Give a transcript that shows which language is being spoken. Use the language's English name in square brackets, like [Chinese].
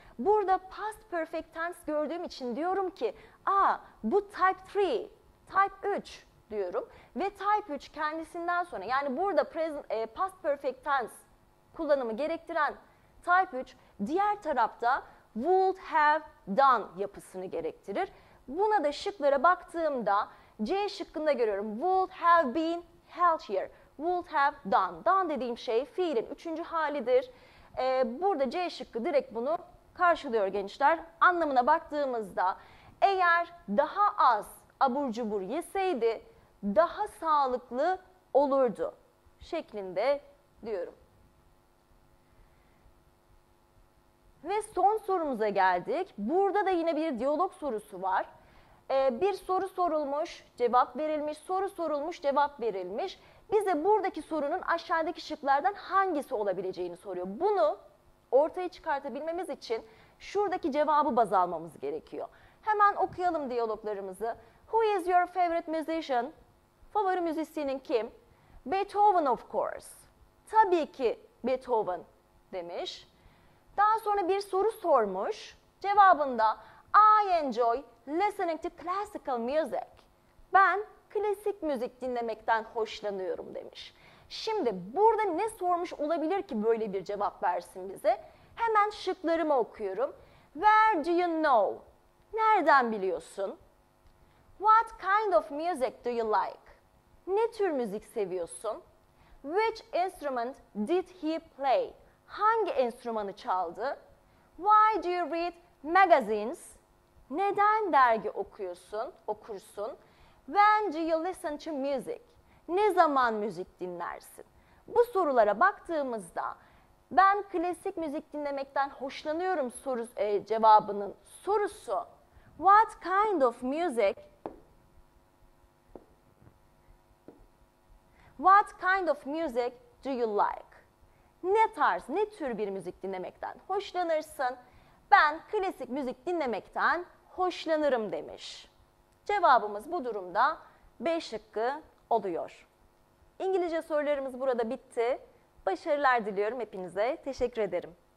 [Turkish] Burada past perfect tense gördüğüm için diyorum ki, aa bu type 3, type 3 diyorum. Ve type 3 kendisinden sonra, yani burada past perfect tense kullanımı gerektiren type 3, diğer tarafta [English] would have done [Turkish] yapısını gerektirir. Buna da şıklara baktığımda C şıkkında görüyorum. [English] Would have been healthier. Would have done. [Turkish] Done dediğim şey fiilin üçüncü halidir. Burada C şıkkı direkt bunu karşılıyor gençler. Anlamına baktığımızda eğer daha az abur cubur yeseydi daha sağlıklı olurdu şeklinde diyorum. Ve son sorumuza geldik. Burada da yine bir diyalog sorusu var. Bir soru sorulmuş, cevap verilmiş, soru sorulmuş, cevap verilmiş. Bize buradaki sorunun aşağıdaki şıklardan hangisi olabileceğini soruyor. Bunu ortaya çıkartabilmemiz için şuradaki cevabı baz almamız gerekiyor. Hemen okuyalım diyaloglarımızı. [English] Who is your favorite musician? [Turkish] Favori müzisyenin kim? [English] Beethoven of course. [Turkish] Tabii ki Beethoven demiş. Daha sonra bir soru sormuş. Cevabında [English] I enjoy listening to classical music. [Turkish] Ben klasik müzik dinlemekten hoşlanıyorum demiş. Şimdi burada ne sormuş olabilir ki böyle bir cevap versin bize? Hemen şıklarımı okuyorum. [English] Where do you know? [Turkish] Nereden biliyorsun? [English] What kind of music do you like? [Turkish] Ne tür müzik seviyorsun? [English] Which instrument did he play? [Turkish] Hangi enstrümanı çaldı? [English] Why do you read magazines? [Turkish] Neden dergi okuyorsun, okursun? [English] When do you listen to music? [Turkish] Ne zaman müzik dinlersin? Bu sorulara baktığımızda ben klasik müzik dinlemekten hoşlanıyorum cevabının sorusu [English] what kind of music? What kind of music do you like? [Turkish] Ne tarz, ne tür bir müzik dinlemekten hoşlanırsın? Ben klasik müzik dinlemekten hoşlanırım demiş. Cevabımız bu durumda B şıkkı oluyor. İngilizce sorularımız burada bitti. Başarılar diliyorum hepinize. Teşekkür ederim.